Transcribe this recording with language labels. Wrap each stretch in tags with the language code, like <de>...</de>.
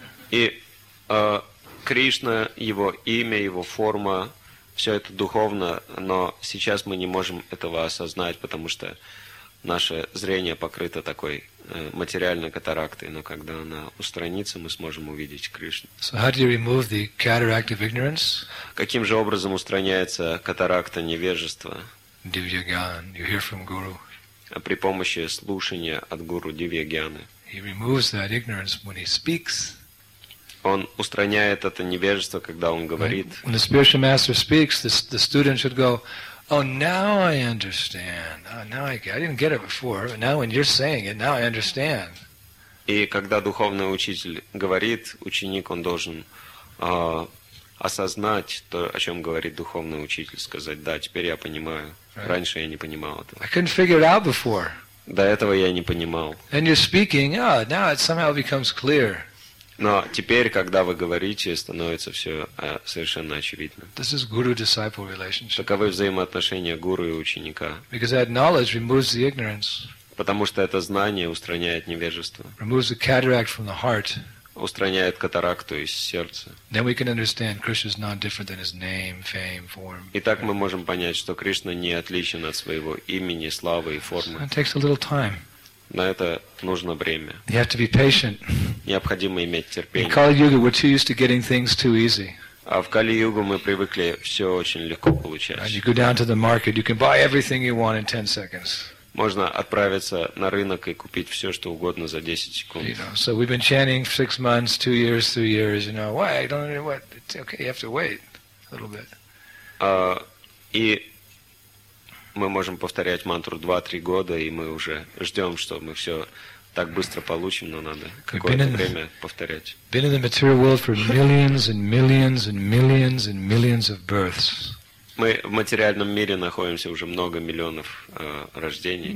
<ru>И Кришна, Его имя, Его форма, все это духовно, но сейчас мы не можем этого осознать, потому что наше зрение покрыто такой материальной катарактой, но когда она устранится, мы сможем увидеть Кришну.</ru> <en>So how do you remove the cataract of ignorance?</en> <ru>Каким же образом устраняется катаракта невежества?</ru> <en>Divya Gyan, you hear from Guru.</en> <ru>При помощи слушания от Гуру Дивья Гьяны.</ru> <en>He removes that ignorance when he speaks.</en> <ru>Он устраняет это невежество, когда он говорит.</ru> <en>When the spiritual master speaks, the student should go, now I understand. I didn't get it before, but now when you're saying it, now I understand.</en> <ru>И когда духовный учитель говорит, ученик, он должен осознать то, о чем говорит духовный учитель, сказать, да, теперь я понимаю.</ru> <en>Right.</en> <ru>Раньше я не понимал этого.</ru> <en>I couldn't figure it out before.</en> <ru>До этого я не понимал.</ru> <en>And you're speaking, now it somehow becomes clear.</en> <ru>Но теперь, когда вы говорите, становится все совершенно очевидно.</ru> <en>This is guru-disciple relationship.</en> <ru>Таковы взаимоотношения гуру и ученика.</ru> <en>Because that knowledge removes the ignorance.</en> <ru>Потому что это знание устраняет невежество.</ru> <en>Removes the cataract from the heart.</en> <ru>Устраняет катаракту из сердца.</ru> <en>Then we can understand Krishna's not different than his name, fame, form.</en> <ru>Итак, мы можем понять, что Кришна не отличен от своего имени, славы и формы.</ru> <en>It takes a little time.</en> <ru>На это нужно время.</ru> <en>You have to be patient.</en> <ru>Необходимо иметь терпение.</ru> <en>In Kali-Yuga, we're too used to getting things too easy.</en> <ru>А в Кали-Югу мы привыкли все очень легко получать.</ru> <en>And you go down to the market, you can buy everything you want in 10 seconds.</en> <ru>Можно отправиться на рынок и купить все, что угодно за 10 секунд.</ru> <en>You know, so we've been chanting 6 months, 2 years, 3 years, you know, why? I don't know what. It's okay, you have to wait a little bit.</en> <ru>Мы можем повторять мантру 2-3 года, и мы уже ждем, что мы все так быстро получим, но надо какое-то время повторять.</ru> <en>Been in the material world for millions and millions and millions and millions of births.</en> <ru>Мы в материальном мире находимся уже много миллионов рождений.</ru>